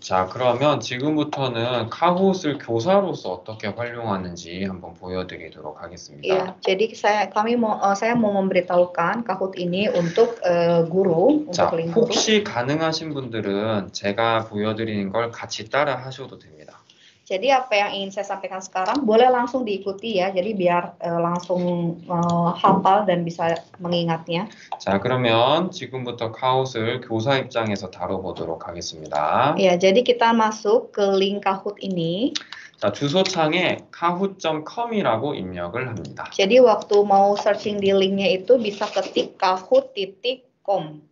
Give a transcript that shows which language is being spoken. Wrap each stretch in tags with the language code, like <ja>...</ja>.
<ko>자, 그러면 지금부터는 카훗을 교사로서 어떻게 활용하는지 한번 보여드리도록 하겠습니다.</ko> <id>Ya, jadi saya mau memberitahukan Kahoot ini untuk guru 자, untuk lingkup.</id> <ko>혹시 가능하신 분들은 제가 보여드리는 걸 같이 따라 하셔도 됩니다.</ko> <id>Jadi apa yang ingin saya sampaikan sekarang boleh langsung diikuti ya. Jadi biar langsung hafal dan bisa mengingatnya.</id> <ko>자, 그러면 지금부터 카훗을 교사 입장에서 다뤄보도록 하겠습니다.</ko> <id>Ya, jadi kita masuk ke link Kahoot ini.</id> <ko>자, 주소창에 kahoot.com이라고 입력을 합니다.</ko> <id>Jadi waktu mau searching di linknya itu bisa ketik kahoot.com.</id>